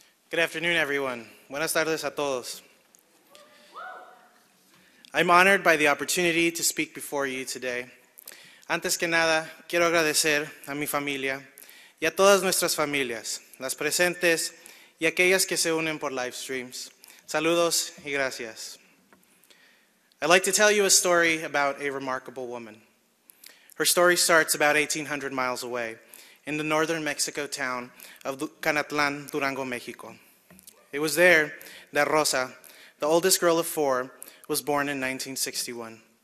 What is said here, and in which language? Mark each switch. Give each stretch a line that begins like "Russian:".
English: Good afternoon, everyone.
Spanish: Buenas tardes a todos.
English: I'm honored by the opportunity to speak before you today.
Spanish: Antes que nada, quiero agradecer a mi familia y a todas nuestras familias, las presentes y aquellas que se unen por live streams. Saludos y gracias.
English: I'd like to tell you a story about a remarkable woman. Her story starts about 1,800 miles away in the northern Mexico town of Canatlan, Durango, Mexico. It was there that Rosa, the oldest girl of four, was born in 1961.